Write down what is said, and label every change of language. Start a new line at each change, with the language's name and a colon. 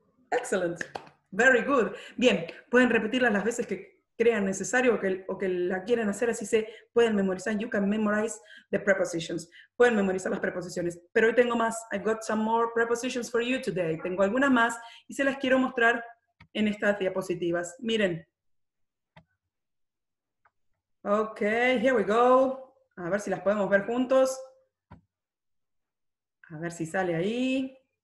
English: Excellent, very good.
Spanish: Bien, pueden repetirlas las veces que crean necesario o que la quieran hacer, así se pueden memorizar.
English: You can memorize the prepositions.
Spanish: Pueden memorizar las preposiciones. Pero hoy tengo más.
English: I've got some more prepositions for you today.
Spanish: Tengo algunas más y se las quiero mostrar en estas diapositivas. Miren.
English: Ok, here we go.
Spanish: A ver si las podemos ver juntos. A ver si sale ahí.